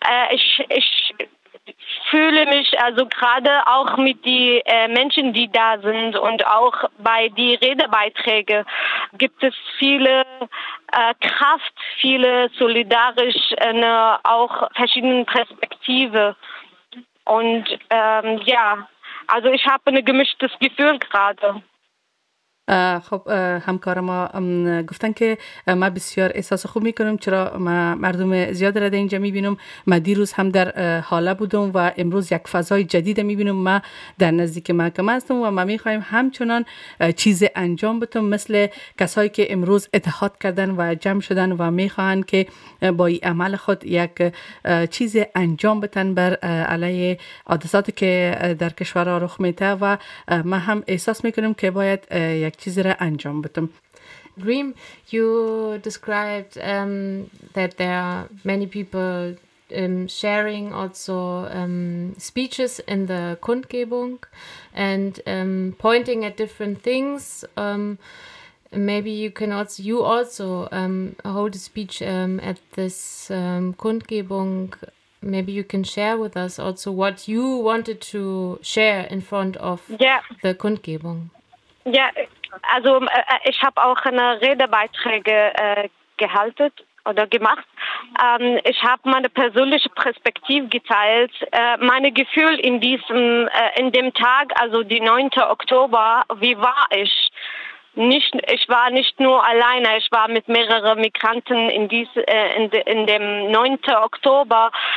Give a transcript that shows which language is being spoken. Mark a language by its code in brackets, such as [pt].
[de] Ich fühle mich also gerade auch mit die Menschen, die da sind und auch bei die Redebeiträge gibt es viele Kraft, viele solidarisch, auch verschiedene Perspektive und also ich habe ein gemischtes Gefühl gerade. [fa] خب همکار ما گفتن که ما بسیار احساس خوب میکنم چرا ما مردم زیاد را در اینجا میبینم. ما دیروز هم در حاله بودم و امروز یک فضای جدید میبینم. ما در نزدیک محکمه هستم و ما میخواییم همچنان چیز انجام بتم مثل کسایی که امروز اتحاد کردن و جمع شدن و میخواهن که با این عمل خود یک چیز انجام بتن بر علیه حادثاتی که در کشور رخ میده و ما هم احساس میکنم که باید یک چیزی را انجام بدم. [en] Reem, you described that there are many people sharing also speeches in the Kundgebung and pointing at different things. Maybe you can also, you also hold a speech at this Kundgebung. Maybe you can share with us also what you wanted to share in front of the Kundgebung. [de] Yeah, also ich habe auch eine Redebeiträge gehalten oder gemacht. Ich habe meine persönliche Perspektive geteilt, meine Gefühl in diesem, in dem Tag, also die 9. Oktober, wie war ich? Nicht, ich war nicht nur alleine, ich war mit mehreren Migranten in dem 9. Oktober.